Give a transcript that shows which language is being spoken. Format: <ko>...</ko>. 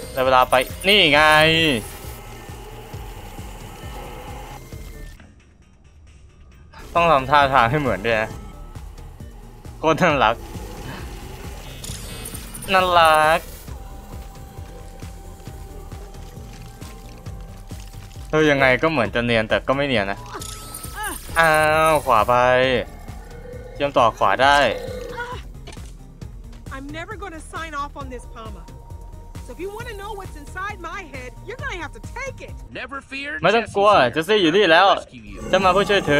<th>ได้เวลาไปนี่ไงต้องทำท่าทางให้เหมือนด้วยนะโคตรน่ารักน่ารักเออยังไงก็เหมือนจะเนียนแต่ก็ไม่เนียนนะอ้าวขวาไปเชื่อมต่อขวาได้</th> <en>Never gonna sign off on this, Palma. So if you want to know what's inside my head, you're gonna have to take it. Never fear.</en> <th>ไม่ต้องกลัวจะซี่อยู่นี่แล้วจะมาเพื่อช่วยเธ</th>